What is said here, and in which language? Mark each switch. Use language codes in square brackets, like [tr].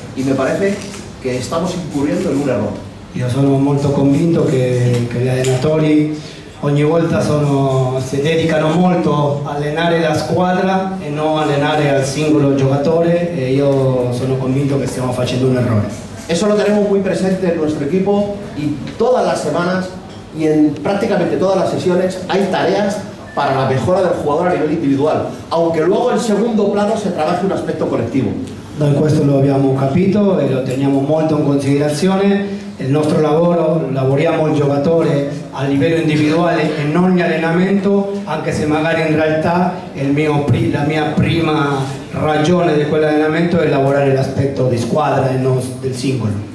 [es] Y me parece que estamos incurriendo en un error. [it] Io sono molto convinto che gli allenatori ogni volta sono, si dedicano molto a allenare la squadra e non allenare al singolo giocatore e io sono convinto che stiamo facendo un errore. [es] Eso lo tenemos muy presente en nuestro equipo y todas las semanas y en prácticamente todas las sesiones hay tareas para la mejora del jugador a nivel individual, aunque luego en segundo plano se trabaje un aspecto colectivo. [it] Noi questo lo abbiamo capito e lo teniamo molto in considerazione. Il nostro lavoro, lavoriamo il giocatore a livello individuale e non in allenamento, anche se magari in realtà la mia prima ragione di quell'allenamento è lavorare l'aspetto di squadra e non del singolo.